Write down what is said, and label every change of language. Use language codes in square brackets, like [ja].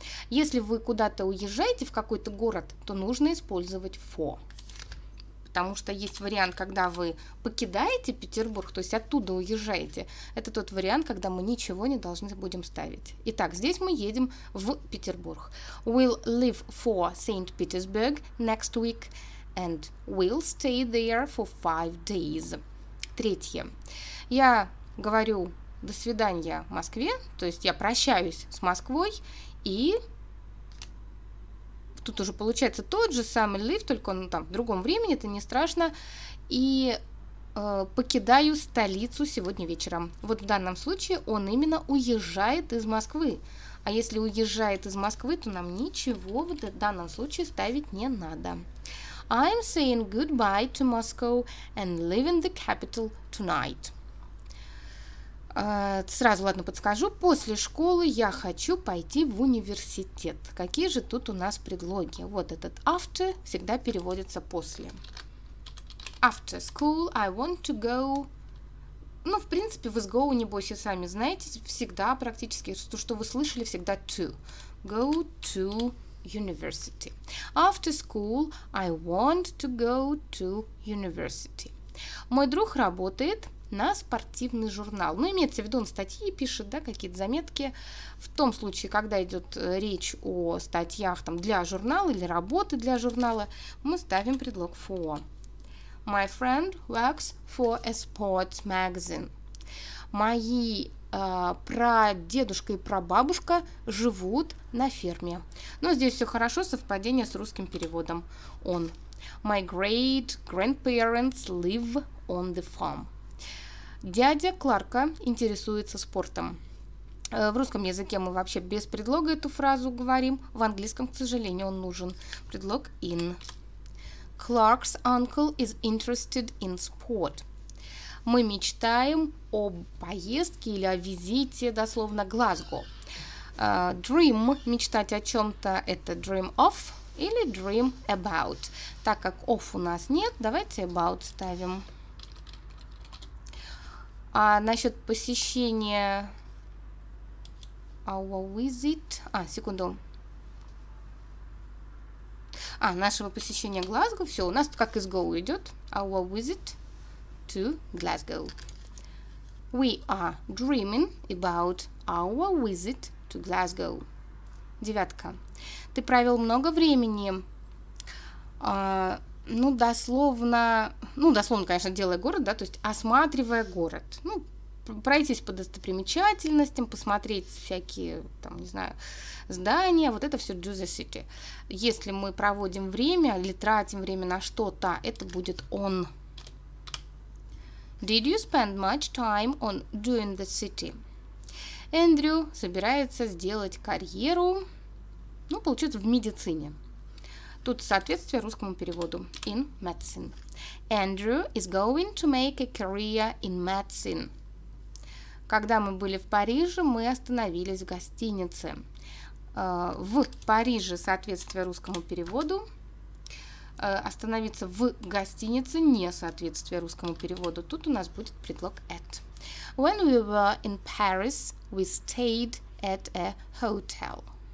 [ru] Если вы куда-то уезжаете, в какой-то город, то нужно использовать for. Потому что есть вариант, когда вы покидаете Петербург, то есть оттуда уезжаете. Это тот вариант, когда мы ничего не должны будем ставить. Итак, здесь мы едем в Петербург. [en] We'll leave for St. Petersburg next week and we'll stay there for 5 days. [ru] Третье. Я говорю «до свидания Москве», то есть я прощаюсь с Москвой. И тут уже получается тот же самый live, только он там в другом времени, это не страшно. И покидаю столицу сегодня вечером. Вот в данном случае он именно уезжает из Москвы. А если уезжает из Москвы, то нам ничего в данном случае ставить не надо. [en] I'm saying goodbye to Moscow and leaving the capital tonight. [ru] Сразу, ладно, подскажу. После школы я хочу пойти в университет. Какие же тут у нас предлоги? Вот этот after всегда переводится после. [en] After school I want to go. [ru] Ну, в принципе, вы с go, небось, и сами знаете, всегда практически, то, что вы слышали, всегда to. [en] Go to university. After school I want to go to university. [ru] Мой друг работает на спортивный журнал. Ну, имеется в виду, он статьи пишет, да, какие-то заметки. В том случае, когда идет речь о статьях там, для журнала или работы для журнала, мы ставим предлог for. [en] My friend works for a sports magazine. [ru] Мои прадедушка и прабабушка живут на ферме. Ну, здесь все хорошо, совпадение с русским переводом. [en] Он. My great grandparents live on the farm. [ru] Дядя Кларка интересуется спортом. В русском языке мы вообще без предлога эту фразу говорим. В английском, к сожалению, он нужен. Предлог in. [en] Clark's uncle is interested in sport. [ru] Мы мечтаем о поездке или о визите, дословно, Глазго. Dream, мечтать о чем-то, это dream of или dream about. Так как of у нас нет, давайте about ставим. А насчет посещения [en] our visit. [ru] А, секунду. А, нашего посещения Глазго. Все, у нас тут как из go идет. [en] Our visit to Glasgow. We are dreaming about our visit to Glasgow. [ru] Девятка. Ты провел много времени. Дословно, конечно, делая город, да, то есть осматривая город. Ну, пройтись по достопримечательностям, посмотреть всякие, там, не знаю, здания, вот это все [en] do the city. [ru] Если мы проводим время или тратим время на что-то, это будет on. [en] Did you spend much time on doing the city? [ru] Эндрю собирается сделать карьеру, ну, получается, в медицине. Тут соответствие русскому переводу. [en] In medicine. Andrew is going to make a career in medicine. [ru] Когда мы были в Париже, мы остановились в гостинице. В Париже соответствие русскому переводу. Остановиться в гостинице не соответствие русскому переводу. Тут у нас будет предлог at. [en] When we were in Paris, we stayed at a hotel.